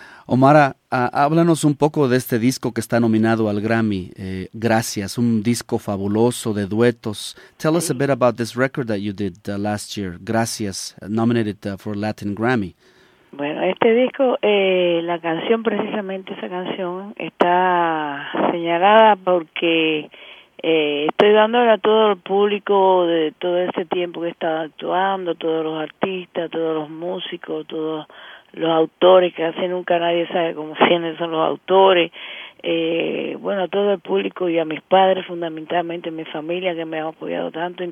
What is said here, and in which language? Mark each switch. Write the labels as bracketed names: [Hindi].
[Spanish] Omara, háblanos un poco de este disco que está nominado al Grammy, Gracias, un disco fabuloso de duetos. [English] Tell us a bit about this record that you did last year, Gracias, nominated for Latin Grammy. [Spanish] Bueno, este disco, la canción, precisamente esa canción, está señalada porque estoy dándole a todo el público de todo este tiempo que estaba actuando, todos los artistas, todos los músicos, todos los autores, que casi nunca nadie sabe cómo quiénes son los autores, bueno, a todo el público y a mis padres, fundamentalmente a mi familia que me ha apoyado tanto.